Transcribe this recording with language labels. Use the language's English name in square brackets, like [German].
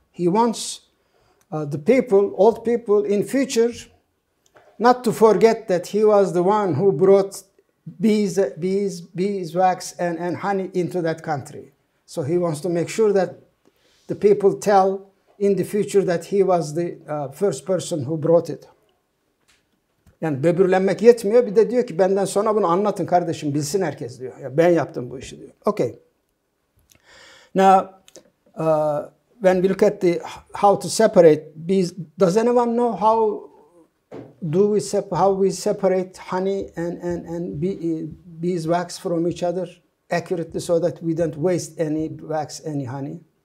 [English] He wants the people, old people in future, not to forget that he was the one who brought bees, wax, and honey into that country. So he wants to make sure that the people tell in the future that he was the first person who brought it. [Turkish] Yani böbürlenmek yetmiyor. Bir de diyor ki benden sonra bunu anlatın kardeşim, bilsin herkes diyor. Ya ben yaptım bu işi diyor. Okay. [English] Now, when we look at the how to separate, does anyone know how do we separate honey and bees wax from each other accurately so that we don't waste any wax, any honey?